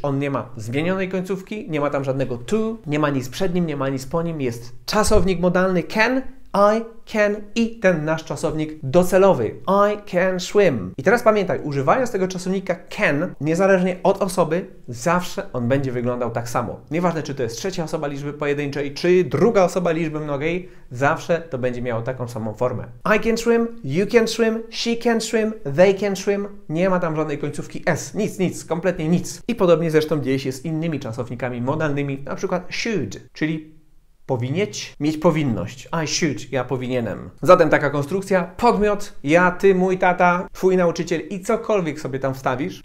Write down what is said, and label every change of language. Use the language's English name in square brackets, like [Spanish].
[Polish] On nie ma zmienionej końcówki, nie ma tam żadnego to, nie ma nic przed nim, nie ma nic po nim, jest czasownik modalny can, [English] I can [Polish] i ten nasz czasownik docelowy. [English] I can swim. [Polish] I teraz pamiętaj, używając tego czasownika can, niezależnie od osoby, zawsze on będzie wyglądał tak samo. Nieważne, czy to jest trzecia osoba liczby pojedynczej, czy druga osoba liczby mnogiej, zawsze to będzie miało taką samą formę. [English] I can swim, you can swim, she can swim, they can swim. [Polish] Nie ma tam żadnej końcówki s. Nic, nic, kompletnie nic. I podobnie zresztą dzieje się z innymi czasownikami modalnymi, na przykład should, czyli powinieć, mieć powinność. [English] I should, [Polish] ja powinienem. Zatem taka konstrukcja, podmiot, ja, ty, mój tata, twój nauczyciel i cokolwiek sobie tam wstawisz.